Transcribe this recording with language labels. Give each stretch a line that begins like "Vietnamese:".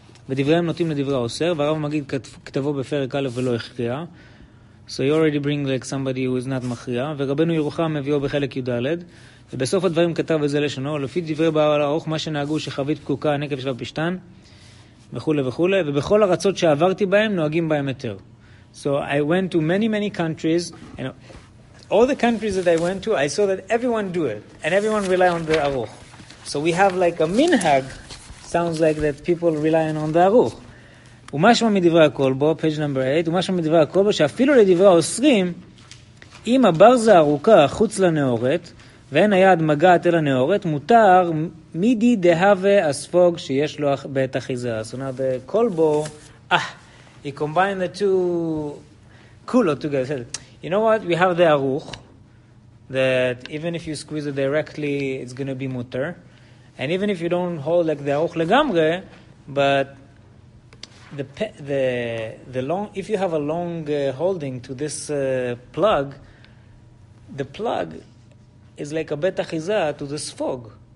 Hebrew: ודבריהם נוטים לדברי האוסר, והרב מגיד כתבו בפרק א' ולא הכריע.
English: So you already bring like somebody who is not מכריע.
Hebrew: ורבנו ירוחם מביאו בחלק י' ובסוף הדברים כתב את זה לשונו, לפי דברי בעל הארוך מה שנהגו שחבית פקוקה, הנקב של הפשטן, וכו' וכו'. ובכל ארצות שעברתי בהם, נוהגים בהם יותר.
English: So I went to many, many countries, and all the countries that I went to, I saw that everyone do it, and everyone rely on the ארוך. So we have like a minhag, sounds like that people rely on the aruch.
Hebrew: ומשמע מדברי הקולבו,
English: page number 8,
Hebrew: ומשמע מדברי הקולבו, שאפילו לדברי האוסרים, אם הבר זה ארוכה חוץ לנאורת, ואין היד מגעת אל הנאורת, מותר מידי דהווה הספוג שיש לו בית אחיזה.
English: So now the קולבו, he combined the two קולות together. You know what? We have the aruch, that even if you squeeze it directly, it's going to be mutter. And even if you don't hold like the aruch legamre, but the long, if you have a long holding to this plug, the plug is like a bet achiza to the sfog.